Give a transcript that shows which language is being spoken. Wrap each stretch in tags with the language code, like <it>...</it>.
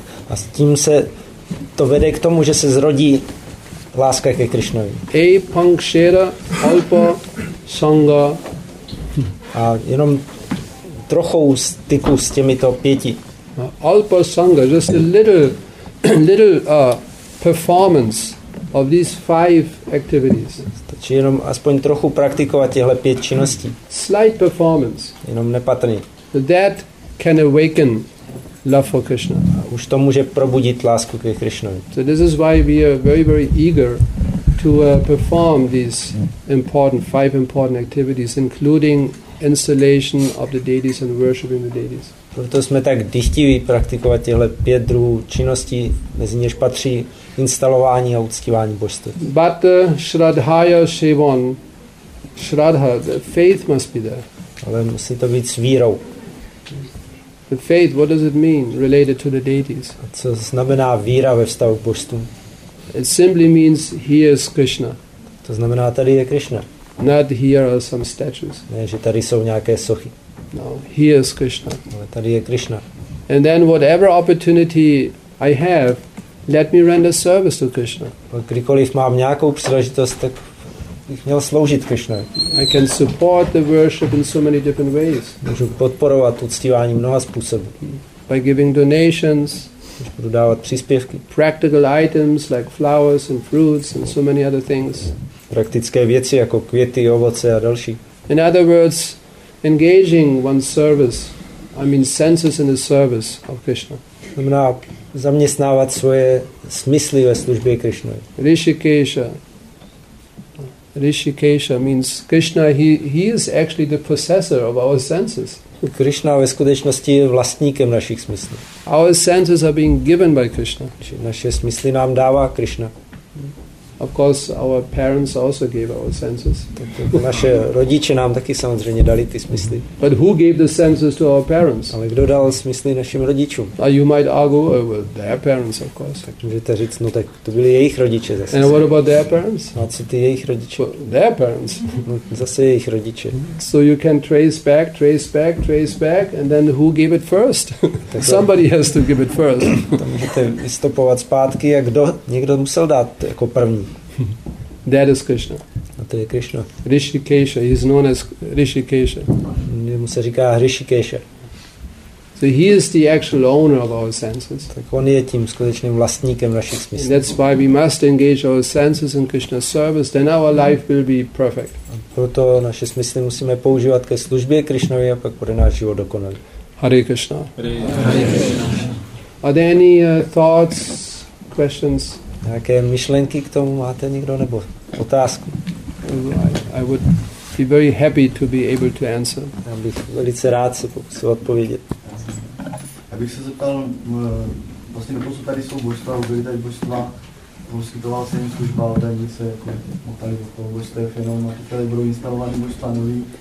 <cs>A s tím se to vede k tomu, že se zrodí láska ke Krišnovi. A pankšera alpa sanga. A jenom trochu styku s těmito pěti.</cs> <en>Alpa sanga, just a little performance of these five activities.</en> <cs>Stačí jenom aspoň trochu praktikovat těhle pět činností.</cs> <en>Slight performance.</en> <cs>Jenom nepatrně.</cs> <en>That can awaken love for Krishna.</en> <cs>Už to může probudit lásku ke Krishnovi.</cs> <en>So this is why we are very, very eager to perform these important five important activities, including installation of the deities and worshiping the deities.</en> <cs>Proto jsme tak dychtiví praktikovat těhle pět druhů činností, mezi něž patří instalování a uctívání božstev.</cs> <en>But Shraddhaya Shivan, Shraddha, the faith must be there.</en> <cs>Ale musí to být s vírou.</cs> <en>The faith, what does it mean related to the deities?</en> <cs>A co znamená víra ve vztahu k božstvům?</cs> <en>It simply means here is Krishna.</en> <cs>To znamená, tady je Krishna.</cs> <en>Not here are some statues.</en> <cs>Ne, že tady jsou nějaké sochy.</cs> <en>No, here is Krishna.</en> <cs>Ale tady je Krishna.</cs> <en>And then whatever opportunity I have, let me render service to Krishna.</en> <cs>A kdykoliv mám nějakou příležitost, tak bych měl sloužit Krishna.</cs> <en>I can support the worship in so many different ways.</en> <cs>Můžu podporovat uctívání mnoha způsobů.</cs> <en>By giving donations.</en> <cs>Můžu prodávat příspěvky.</cs> <en>Practical items like flowers and fruits and so many other things.</en> <cs>Praktické věci jako květy, ovoce a další.</cs> <en>In other words, engaging one's service, I mean senses in the service of Krishna.</en> <cs>Znamená zaměstnávat svoje smysly ve službě Krishnovi.</cs> <en>Rishikesha means Krishna, he is actually the possessor of our senses.</en> <cs>Krishna ve skutečnosti je vlastníkem našich smyslů.</cs> <en>Our senses are being given by Krishna.</en> <cs>Naše smysly nám dává Krishna.</cs> <en>Of course, our parents also gave our senses.</en> <cs>Naše rodiče nám taky samozřejmě dali ty smysly.</cs> <en>But who gave the senses to our parents?</en> <cs>Ale kdo dal smysly našim rodičům?</cs> <en>You might argue, well, their parents, of course.</en> <cs>Tak můžete říct, no tak to byli jejich rodiče zase.</cs> <en>And what about their parents?</en> <cs>A co ty jejich rodiče?</cs> <en>Well, their parents.</en> <cs>No, zase jejich rodiče.</cs> <en>So you can trace back, and then who gave it first? Somebody has to give it first.</en> <cs>Tam můžete vystupovat zpátky, jak kdo, někdo musel dát jako první.</cs> <en>That is Krishna.</en> <cs>A to je Krishna.</cs> <en>Rishikesha, he is known as Rishikesha.</en> <cs>Jemu se říká Rishikesha.</cs> <en>So he is the actual owner of our senses.</en> <cs>Tak on je tím skutečným vlastníkem našich smyslů.</cs> <en>That's why we must engage our senses in Krishna's service, then our life will be perfect.</en> <cs>A proto naše smysly musíme používat ke službě Krishnovi a pak bude náš život dokonalý.</cs> <en>Hare Krishna. Hare Krishna. Are there any thoughts, questions?</en> <cs>Jaké myšlenky k tomu máte někdo nebo otázku?</cs> <en>I would be very happy to be able to answer.</en> <cs>Já bych velice rád se pokusil odpovědět. Já bych se zeptal, vlastně doposud tady jsou božstva, byly tady božstva, poskytoval se jim služba, tajemnice, jako motali do toho božstev, jenom a teď tady budou instalovány božstva nový.</cs>